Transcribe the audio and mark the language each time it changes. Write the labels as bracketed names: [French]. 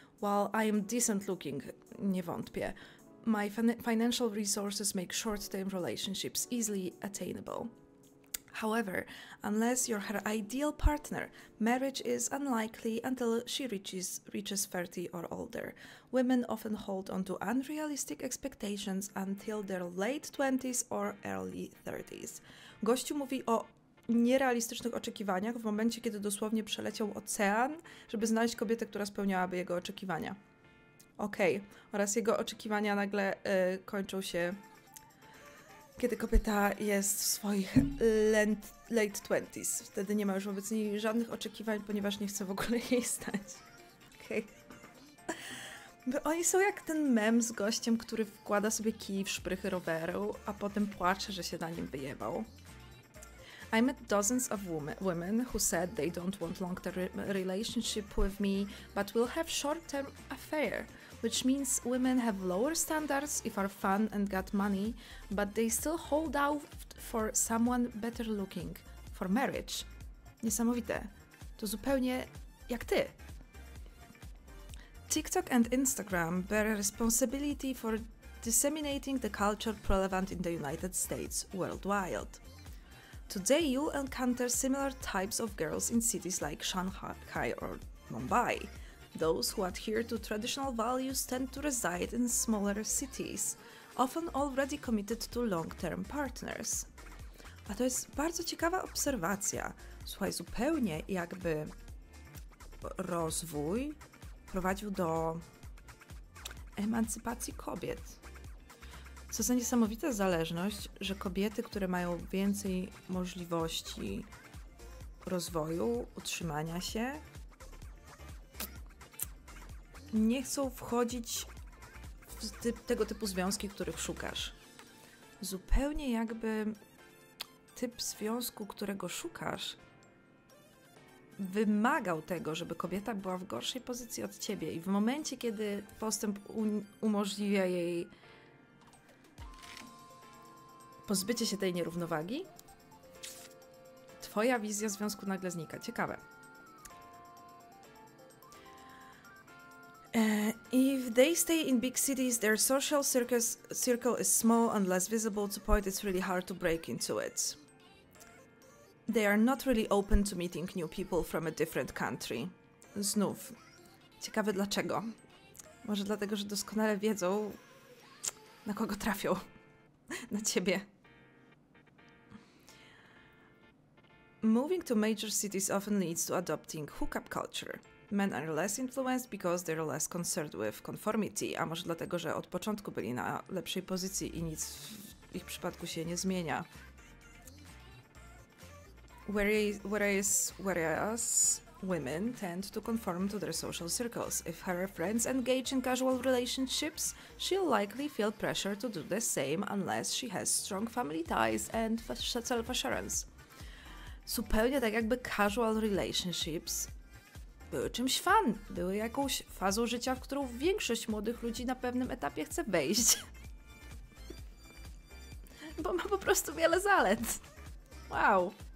[English] While I am decent looking, [Polish] nie wątpię, [English] my financial resources make short-term relationships easily attainable. However, unless you're her ideal partner, marriage is unlikely until she reaches 30 or older. Women often hold on to unrealistic expectations until their late 20s or early 30s. [Polish] Gościu mówi o nierealistycznych oczekiwaniach w momencie, kiedy dosłownie przeleciał ocean, żeby znaleźć kobietę, która spełniałaby jego oczekiwania. Okej, oraz jego oczekiwania nagle kończą się, kiedy kobieta jest w swoich [English] late 20s. [Polish] Wtedy nie ma już wobec niej żadnych oczekiwań, ponieważ nie chce w ogóle jej stać. Okej. Okay. Oni są jak ten mem z gościem, który wkłada sobie kij w szprychy roweru, a potem płacze, że się na nim wyjebał. [English] I met dozens of women who said they don't want long-term relationship with me, but will have short-term affair. Which means women have lower standards if are fun and got money, but they still hold out for someone better looking, for marriage. [Polish] Niesamowite. To zupełnie jak ty. [English] TikTok and Instagram bear responsibility for disseminating the culture prevalent in the United States worldwide. Today you'll encounter similar types of girls in cities like Shanghai or Mumbai. Those who adhere to traditional values tend to reside in smaller cities, often already committed to long-term partners. [Polish] A to jest bardzo ciekawa obserwacja. Słuchaj, zupełnie jakby rozwój prowadził do emancypacji kobiet. Co za niesamowita zależność, że kobiety, które mają więcej możliwości rozwoju, utrzymania się, nie chcą wchodzić w tego typu związki, których szukasz. Zupełnie jakby typ związku, którego szukasz, wymagał tego, żeby kobieta była w gorszej pozycji od ciebie. I w momencie, kiedy postęp umożliwia jej pozbycie się tej nierównowagi, twoja wizja związku nagle znika. Ciekawe. [English] If they stay in big cities, their social circle is small and less visible to point, it's really hard to break into it. They are not really open to meeting new people from a different country. [Polish] Znów. Ciekawe dlaczego. Może dlatego, że doskonale wiedzą, na kogo trafią. Na ciebie. [English] Moving to major cities often leads to adopting hookup culture. Men are less influenced because they're less concerned with conformity, [Polish] a może dlatego, że od początku byli na lepszej pozycji i nic w ich przypadku się nie zmienia. [English] Whereas women tend to conform to their social circles. If her friends engage in casual relationships, she'll likely feel pressure to do the same unless she has strong family ties and self-assurance. [Polish] Zupełnie tak jakby casual relationships były czymś fun, były jakąś fazą życia, w którą większość młodych ludzi na pewnym etapie chce wejść. bo ma po prostu wiele zalet. Wow.